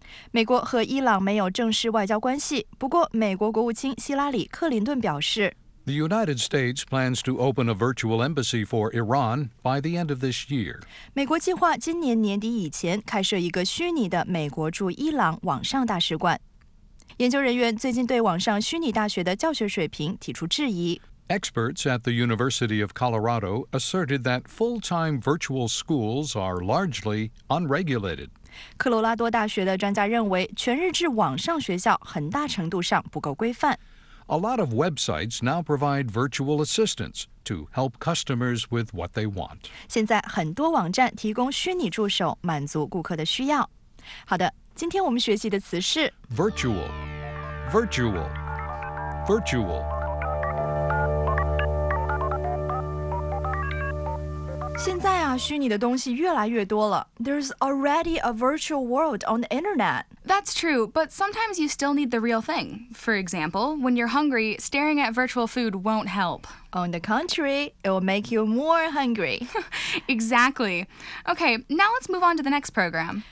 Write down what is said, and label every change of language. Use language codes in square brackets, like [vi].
[zh] 美国和伊朗没有正式外交关系，不过美国国务卿希拉里·克林顿表示 [en] The United States plans to open a virtual embassy for Iran by the end of this year. [zh] 美国计划今年年底以前开设一个虚拟的美国驻伊朗网上大使馆。研究人员最近对网上虚拟大学的教学水平提出质疑。 [en] Experts at the University of Colorado asserted that full-time virtual schools are largely unregulated. [zh] 科罗拉多大学的专家认为，全日制网上学校很大程度上不够规范。 [en] A lot of websites now provide virtual assistants to help customers with what they want. [zh] 现在很多网站提供虚拟助手，满足顾客的需要。好的，今天我们学习的词是 [en] virtual, virtual, virtual. [zh] 现在啊，虚拟的东西越来越多了。 [en] There's already a virtual world on the internet. That's true, but sometimes you still need the real thing. For example, when you're hungry, staring at virtual food won't help. On the contrary, it will make you more hungry. Exactly. Okay, now let's move on to the next program.